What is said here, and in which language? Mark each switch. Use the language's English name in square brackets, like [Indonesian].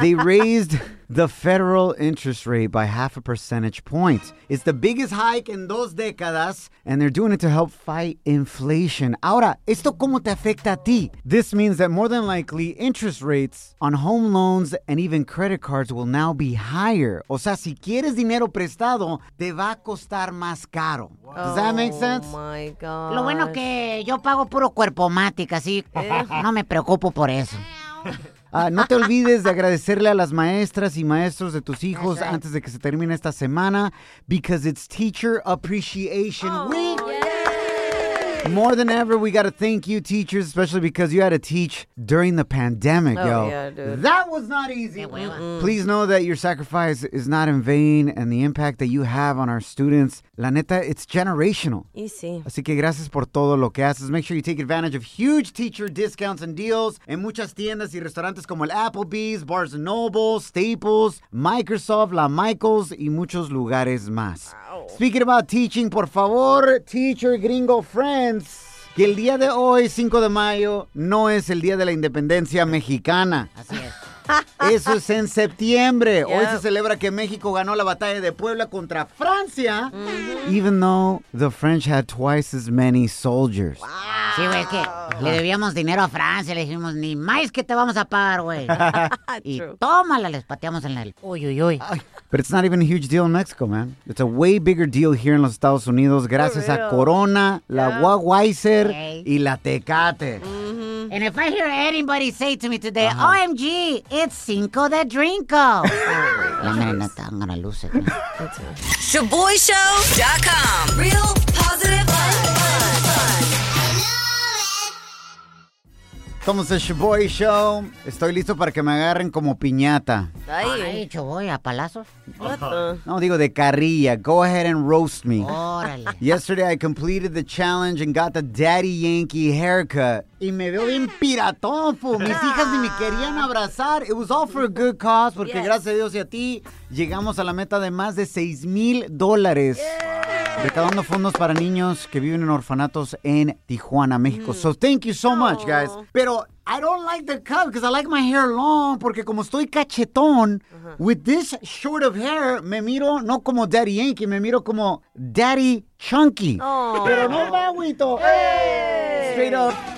[English] They raised the federal interest rate by half a percentage point. It's the biggest hike in [Spanish] dos décadas, [English] and they're doing it to help fight inflation. [Spanish] Ahora, ¿esto cómo te afecta a ti? [English] This means that more than likely, interest rates on home loans and even credit cards will now be higher. [Spanish] O sea, si quieres dinero prestado, te va a costar más caro. [English] Wow. Does that make sense? Oh my God. [Spanish] Lo bueno que yo pago puro cuerpomática, así no me preocupo por eso. No te olvides de agradecerle a las maestras y maestros de tus hijos right. antes de que se termine esta semana, [English] because it's Teacher Appreciation Week. Yeah. More than ever, we got to thank you, teachers, especially because you had to teach during the pandemic, yo. Yeah, dude. That was not easy. Please know that your sacrifice is not in vain and the impact that you have on our students. [Spanish] La neta, [English] it's generational. Easy. [Spanish] Así que gracias por todo lo que haces. [English] Make sure you take advantage of huge teacher discounts and deals [Spanish] en muchas tiendas y restaurantes como el Applebee's, Barnes & Noble, Staples, Microsoft, La Michaels, y muchos lugares más. [English] Wow. Speaking about teaching, [Spanish] por favor, [English] teacher gringo friend, [Spanish] que el día de hoy, 5 de mayo, no es el día de la independencia mexicana. Así es. Eso es en septiembre. Yep. Hoy se celebra que México ganó la batalla de Puebla contra Francia. Mm-hmm. [English] Even though the French had twice as many soldiers. Wow. [Spanish] Sí, güey, es que le debíamos dinero a Francia. Le dijimos, ni más que te vamos a pagar, güey. Y tómala, les pateamos en el uy, uy, uy. [English] But it's not even a huge deal in Mexico, man. It's a way bigger deal here in [Spanish] los Estados Unidos gracias a Corona, la Budweiser y la Tecate. Mm-hmm. [English] And if I hear anybody say to me today, OMG, it's Cinco de Drinko. I'm going to lose it. ShaboyShow.com. Real positive vibes. I love it. [Spanish] Somos el Shaboy Show. Estoy listo para que me agarren como piñata. Ay, Shaboy, a palazos. [English] What the? [Spanish] No, digo de carrilla. [English] Go ahead and roast me. [Spanish] Órale. [English] Yesterday, I completed the challenge and got the Daddy Yankee haircut. [Spanish] Y me veo bien piratón, fu. Mis hijas ni me querían abrazar. [English] It was all for a good cause, [Spanish] porque gracias a Dios y a ti, llegamos a la meta de más de $6,000. Recaudando fondos para niños que viven en orfanatos en Tijuana, México. [English] So, thank you so much, guys. Pero I don't like the cut because I like my hair long. [Spanish] Porque como estoy cachetón, [English] with this short of hair, [Spanish] me miro no como Daddy Yankee, me miro como Daddy Chunky. Pero no me agüito. [English] Straight up.